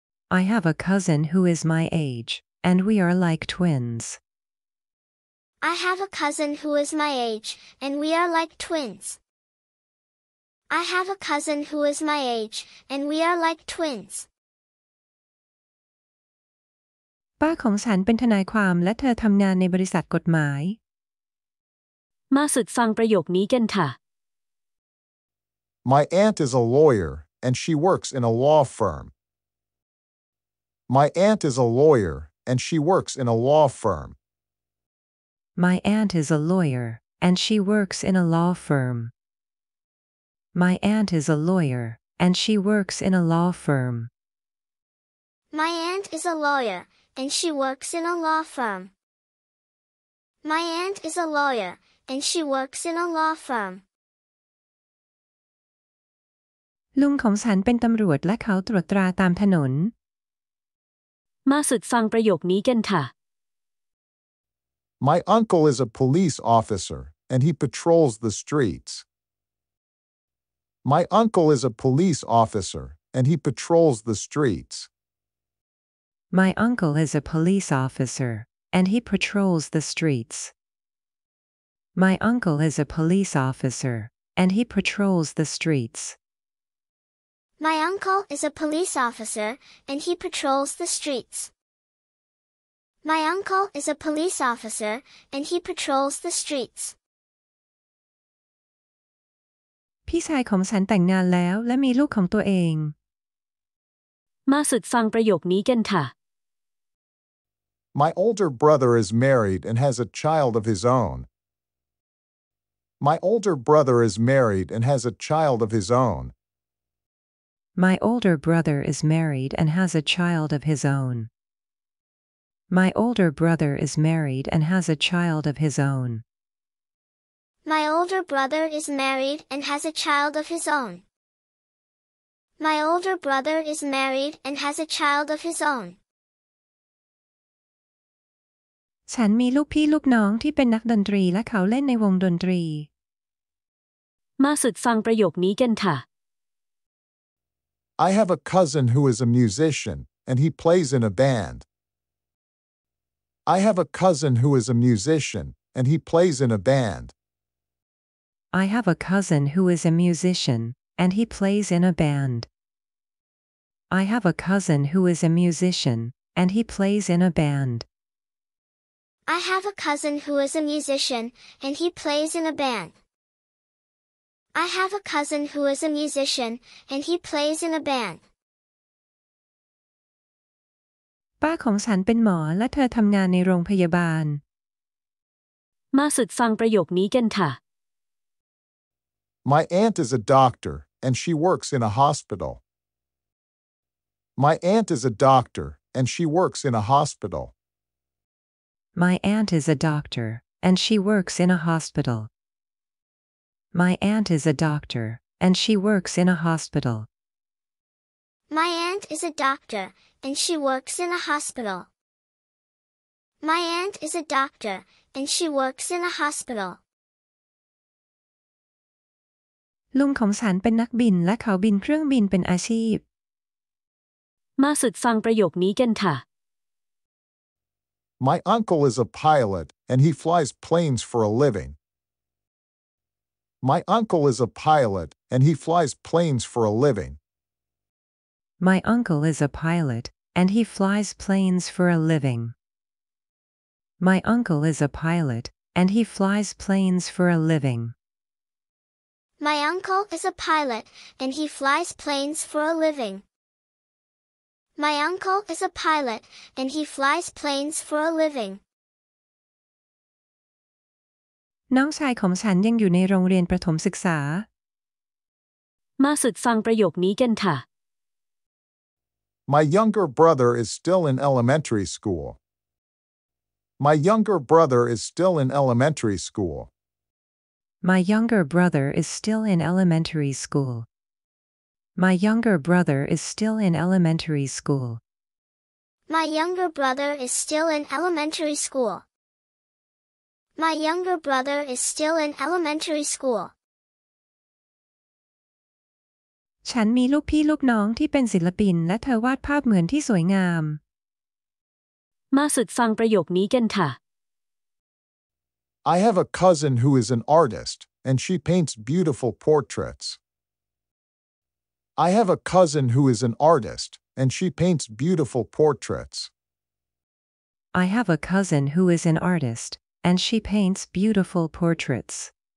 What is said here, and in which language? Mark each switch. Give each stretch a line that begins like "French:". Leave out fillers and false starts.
English: I have a cousin who is my age, and we are like twins. I have a cousin who is my age, and we are like twins. I have a cousin who is my age, and we are like twins.
Thai: ป้าของฉันเป็นทนายความและเธอทำงานในบริษัทกฎหมาย มาฝึกฟังประโยคนี้กันค่ะ
English: My aunt is a lawyer, and she works in a law firm. My aunt is a lawyer, and she works in a law firm. My aunt is a lawyer, and she works in a law firm. My aunt is a lawyer, and she works in a law firm. My aunt is a lawyer, and she works in a law firm. My aunt is a lawyer, and she works in a law firm.
Thai: ลุงของฉันเป็นตำรวจและเขาตรวจตราตามถนน มาฝึกฟังประโยคนี้กันค่ะ
English: My uncle is a police officer, and he patrols the streets. My uncle is a police officer, and he patrols the streets. My uncle is a police officer, and he patrols the streets. My uncle is a police officer, and he patrols the streets. My uncle is a police officer, and he patrols the streets. My uncle is a police officer, and he patrols the streets.
Thai: พี่ชายของฉันแต่งงานแล้วและมีลูกของตัวเอง มาฝึกฟังประโยคนี้กันค่ะ
English: My older brother is married and has a child of his own. My older brother is married and has a child of his own. My older brother is married and has a child of his own. My older brother is married and has a child of his own. My older brother is married and has a child of his own. My older brother is married and has a child of his own.
Thai: ฉันมีลูกพี่ลูกน้องที่เป็นนักดนตรีและเขาเล่นในวงดนตรี มาฝึกฟังประโยคนี้กันค่ะ
English: I have a cousin who is a musician and he plays in a band. I have a cousin who is a musician and he plays in a band. I have a cousin who is a musician and he plays in a band. I have a cousin who is a musician and he plays in a band. I have a cousin who is a musician and he plays in a band. I have a cousin who is a musician, and he plays in a band.
Thai: ป้าของฉันเป็นหมอและเธอทำงานในโรงพยาบาล มาฝึกฟังประโยคนี้กันค่ะ
English: My aunt is a doctor, and she works in a hospital. My aunt is a doctor, and she works in a hospital. My aunt is a doctor, and she works in a hospital. My aunt is a doctor, and she works in a hospital. My aunt is a doctor, and she works in a hospital. My aunt is a doctor, and she works in a hospital.
Thai: ลุงของฉันเป็นนักบินและเขาบินเครื่องบินเป็นอาชีพ มาฝึกฟังประโยคนี้กันค่ะ
English: My uncle is a pilot, and he flies planes for a living. My uncle is a pilot, and he flies planes for a living. My uncle is a pilot, and he flies planes for a living. My uncle is a pilot, and he flies planes for a living. My uncle is a pilot, and he flies planes for a living. My uncle is a pilot, and he flies planes for a living.
Thai: น้องชายของฉันยังอยู่ในโรงเรียนประถมศึกษาม าฝึกฟังประโยคนี้กันค่ะ
English: My younger brother is still in elementary school. My younger brother is still in elementary school. My younger brother is still in elementary school. My younger brother is still in elementary school. My younger brother is still in elementary school. My younger brother is still in elementary school.
Thai: ฉันมีลูกพี่ลูกน้องที่เป็นศิลปินและเธอวาดภาพเหมือนที่สวยงาม มาฝึกฟังประโยคนี้กันค่ะ
English: I have a cousin who is an artist, and she paints beautiful portraits. I have a cousin who is an artist, and she paints beautiful portraits. I have a cousin who is an artist. And she paints beautiful portraits.